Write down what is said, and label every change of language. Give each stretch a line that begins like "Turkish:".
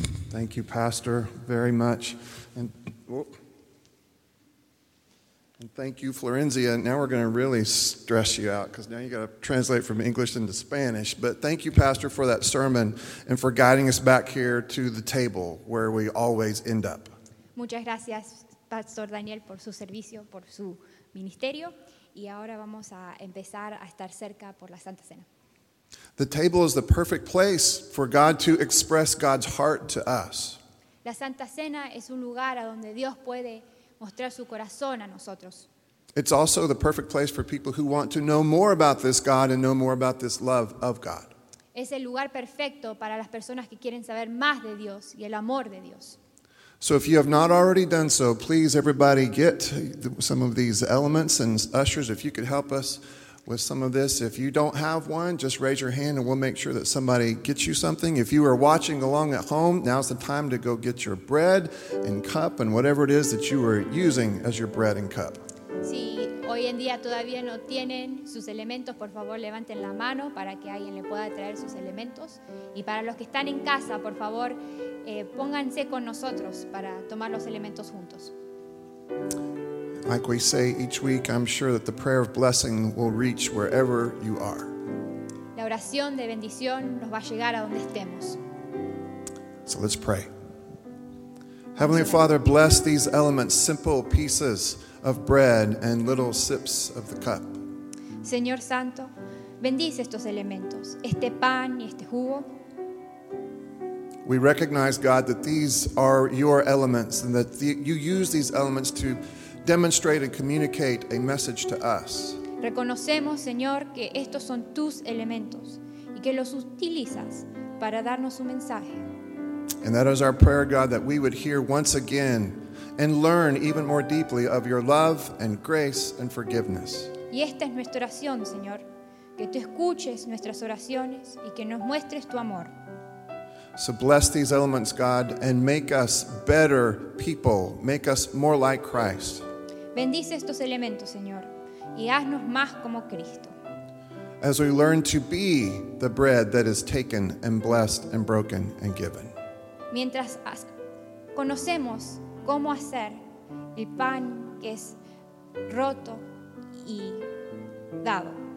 English: Thank you, Pastor, very much. And thank you, Florencia. Now we're going to really stress you out because now you got to translate from English into Spanish. But thank you, Pastor, for that sermon and for guiding us back here to the table where we always end up.
Spanish: Muchas gracias, Pastor Daniel, por su servicio, por su ministerio. Y ahora vamos a empezar a estar cerca por la Santa Cena.
English: The table is the perfect place for God to express God's heart to us.
Spanish: La Santa Cena es un lugar a donde Dios puede mostrar su corazón a nosotros.
English: It's also the perfect place for people who want to know more about this God and know more about this love of God.
Spanish: Es el lugar perfecto para las personas que quieren saber más de Dios y el amor de Dios.
English: So if you have not already done so, please everybody get some of these elements, and ushers, if you could help us with some of this. If you don't have one, just raise your hand and we'll make sure that somebody gets you something. If you are watching along at home, now's the time to go get your bread and cup and whatever it is that you are using as your bread and cup.
Spanish: Si hoy en día todavía no tienen sus elementos, por favor levanten la mano para que alguien le pueda traer sus elementos. Y para los que están en casa, por favor, pónganse con nosotros para tomar los elementos juntos.
English: Like we say each week, I'm sure that the prayer of blessing will reach wherever you are.
Spanish: La oración de bendición nos va a llegar a donde estemos.
English: So let's pray. Heavenly Father, bless these elements, simple pieces of bread and little sips of the cup.
Spanish: Señor Santo, bendice estos elementos, este pan y este jugo.
English: We recognize, God, that these are your elements and that you use these elements to demonstrate and communicate a message to us.
Spanish: Reconocemos, Señor, que estos son tus elementos y que los utilizas para darnos un mensaje.
English: And that is our prayer, God, that we would hear once again and learn even more deeply of your love and grace and forgiveness.
Spanish: Y esta es nuestra oración, Señor, que tú escuches nuestras oraciones y que nos muestres tu amor.
English: So bless these elements, God, and make us better people. Make us more like Christ.
Spanish: Bendice estos elementos, Señor, y haznos más como Cristo.
English: As we learn to be the bread that is taken and blessed and broken and given.
Spanish: Mientras conocemos cómo hacer el pan que es roto y dado.